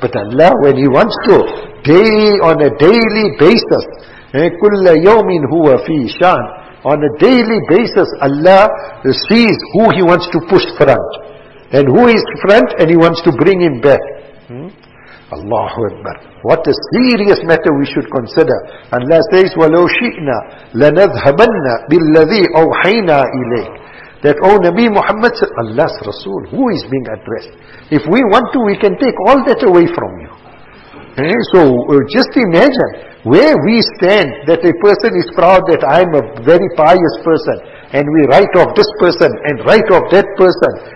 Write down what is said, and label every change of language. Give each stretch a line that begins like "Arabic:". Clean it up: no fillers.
English: But Allah, when he wants to, daily, on a daily basis,
Arabic: كُلَّ يَوْمٍ هُوَ فِي شَانٍ,
English: on a daily basis, Allah sees who he wants to push front. And who is front, and he wants to bring him back. Allahu Akbar. What a serious matter we should consider.
Arabic: Allah says, وَلَوْ شِئْنَا لَنَذْهَبَنَّ بِالَّذِي أَوْحَيْنَا إِلَيْكَ.
English: That, O Nabi Muhammad, Allah's Rasul, who is being addressed? If we want to, we can take all that away from you. Eh? So, just imagine where we stand, that a person is proud that I am a very pious person, and we write off this person, and write off that person.